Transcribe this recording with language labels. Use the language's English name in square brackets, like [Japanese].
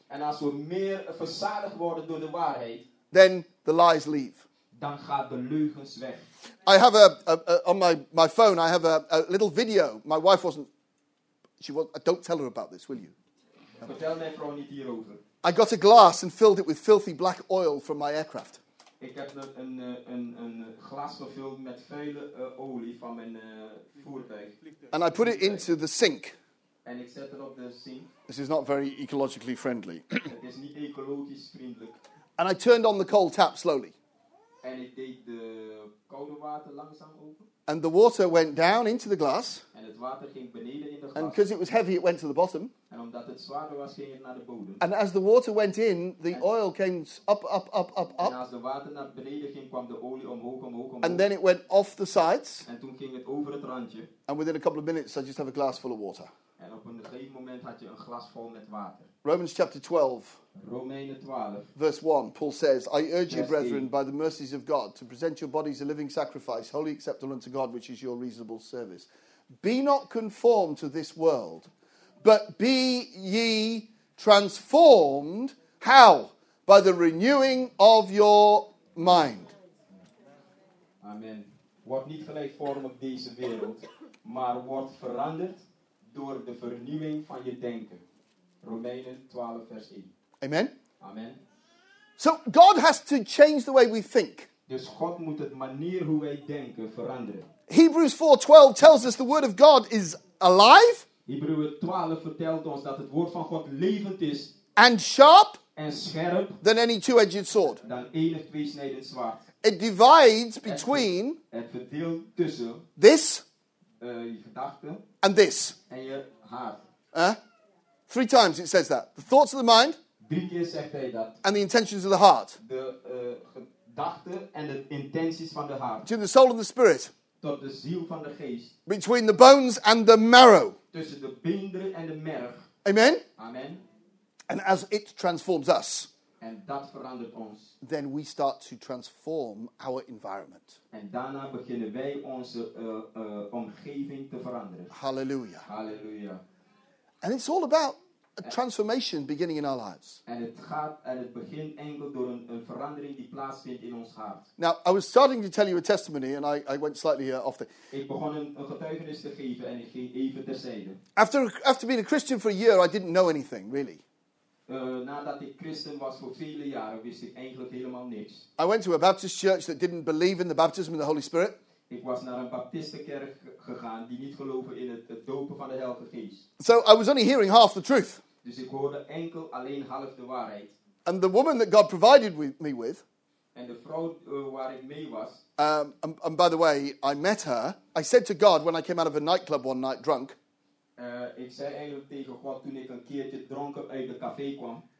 [Dutch] En als we meer verzadigd worden door de waarheid. [English] Then the lies leave. [Dutch] Dan gaat de leugens weg. [English] I have on my phone, I have a little video. My wife wasn't, don't tell her about this, will you? [Dutch] Vertel mijn vrouw niet hierover. [English] I got a glass and filled it with filthy black oil from my aircraft. [Dutch] Ik heb een glas gevuld met vuile olie van mijn voertuig. [English] And I put it into the sink. [Dutch] En ik zet het op de sink. [English] This is not very ecologically friendly. [Dutch] Het is niet ecologisch vriendelijk. [English] And I turned on the cold tap slowly. [Dutch] En ik deed de koude water langzaam open. [English] And the water went down into the glass. [Dutch] En het water ging beneden in de glas. [English] And because it was heavy, it went to the bottom. [Dutch] En omdat het zwaarder was, ging het naar de bodem. [English] And as the water went in, the oil came up. [Dutch] En als de water naar beneden ging, kwam de olie omhoog. [English] And then it went off the sides. [Dutch] En toen ging het over het randje. [English] And within a couple of minutes, I just have a glass full of water. [Dutch] En op een gegeven moment had je een glas vol met water. [English] Romans chapter 12. [Dutch] Romeinen 12. [English] Verse 1, Paul says, I urge you, brethren, by the mercies of God, to present your bodies a living sacrifice, wholly acceptable unto God, which is your reasonable service. Be not conformed to this world, but be ye transformed, how? By the renewing of your mind. Amen. [Dutch] Word niet gelijkvormig deze wereld, maar word veranderd door de vernieuwing van je denken. Romeinen 12, vers 1. Amen. Amen. [English] So God has to change the way we think. [Dutch] Dus God moet het manier hoe wij denken veranderen. [English] Hebrews 4:12 tells us the word of God is alive. [Dutch] Hebreeën 12 vertelt ons dat het woord van God levend is. [English] And sharp. [Dutch] En scherp. [English] Than any two-edged sword. [Dutch] Dan enig tweesnijdend zwaard. [English] It divides between. [Dutch] Het verdeelt tussen. [English] This. [Dutch] Je gedachten. [English] And this. [Dutch] En je hart. [English] Three times it says that. The thoughts of the mind. [Dutch] Drie keer zegt hij dat. [English] And the intentions of the heart. [Dutch] De gedachten en de intenties van de hart. [English] Between the soul and the spirit. [Dutch] Tot de ziel van de geest. [English] Between the bones and the marrow. [Dutch] Tussen de beenderen en de merg. [English] Amen. Amen. And as it transforms us. [Dutch] En dat verandert ons. [English] Then we start to transform our environment. [Dutch] En daarna beginnen wij onze omgeving te veranderen. [English] Hallelujah. Hallelujah. And it's all about. A transformation beginning in our lives. [Dutch] En het gaat en het begint enkel door een verandering die plaatsvindt in ons hart. [English] Now, I was starting to tell you a testimony and I went slightly off the... [Dutch] Ik begon een getuigenis te geven en ik ging even terzijde. [English] After being a Christian for a year, I didn't know anything, really. [Dutch] Nadat ik Christen was voor vele jaren, wist ik eigenlijk helemaal niks. [English] I went to a Baptist church that didn't believe in the baptism of the Holy Spirit. [Dutch] Ik was naar een baptistenkerk gegaan die niet geloven in het dopen van de Heilige Geest. [English] So I was only hearing half the truth. [Dutch] Dus ik hoorde enkel alleen half de waarheid. [English] And the woman that God provided me with. [Dutch] En de vrouw waar ik mee was. [English] And by the way, I met her. I said to God when I came out of a nightclub one night drunk. [Dutch] Ik zei eigenlijk tegen God toen ik een keertje dronken uit de café kwam.